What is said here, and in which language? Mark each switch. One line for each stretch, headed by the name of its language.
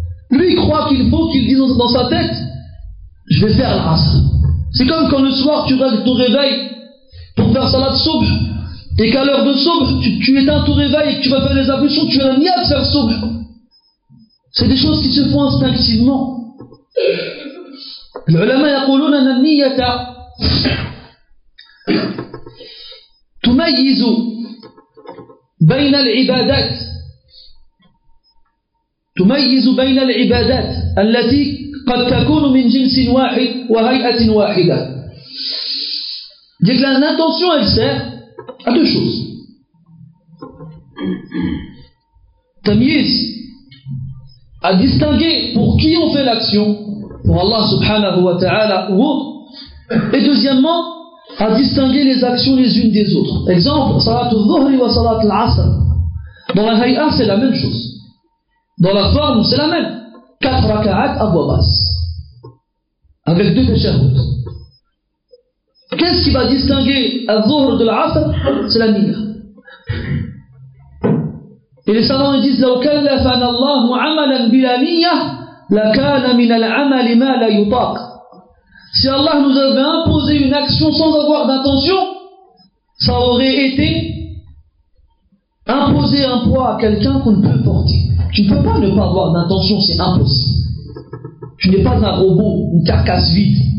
French: Lui, il croit qu'il faut qu'il dise dans sa tête, je vais faire l'Asr. C'est comme quand le soir, tu règles ton réveil pour faire salat soubh. Et qu'à l'heure de soubh, tu éteins ton réveil et que tu vas faire les ablutions, tu as la niya de faire soubh. C'est des choses qui se font instinctivement.
Arabic: العلماء يقولون أن النية تميز بين العبادات تميز بين العبادات التي قد تكون من جنس واحد وهيئة واحدة.
French: Donc l'intention elle sert à deux choses. تمييز à distinguer pour qui on fait l'action. Pour Allah subhanahu wa ta'ala ou autre. Et deuxièmement, à distinguer les actions les unes des autres. Exemple, salat al-dhuhr wa salat al-asr. Dans la hay'a, c'est la même chose. Dans la forme, c'est la même. Quatre raka'at à voix basse. Avec deux tashahhud. Qu'est-ce qui va distinguer al-dhuhr de l'asr? C'est la niyya. Et les savants disent,
Arabic: لو كلفنا الله عملا بلا نية لَكَانَ مِنَ الْعَمَلِ مَا لَا يُطَاقَ.
French: Si Allah nous avait imposé une action sans avoir d'intention, ça aurait été imposer un poids à quelqu'un qu'on ne peut porter. Tu ne peux pas ne pas avoir d'intention, c'est impossible. Tu n'es pas un robot, une carcasse vide.